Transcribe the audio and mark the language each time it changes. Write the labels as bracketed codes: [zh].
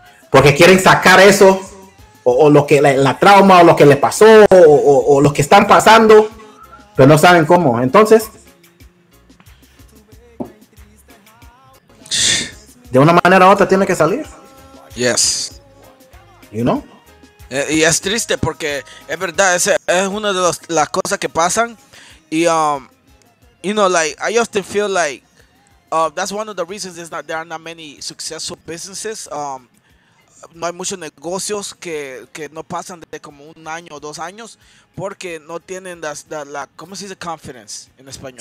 [es] Porque quieren sacar eso, o lo que la trauma, o lo que le pasó, o lo que están pasando, pero no saben cómo. Entonces, de una manera u otra tiene que salir. [en] Yes. You know? [es] Y es triste porque es verdad, ese es una de las cosas que pasan. [en] Y you know, like, I often feel like that's one of the reasons is that there are not many successful businesses. [es] No hay muchos negocios que no pasan de como un año o dos años porque no tienen la ¿cómo se dice confidence en español?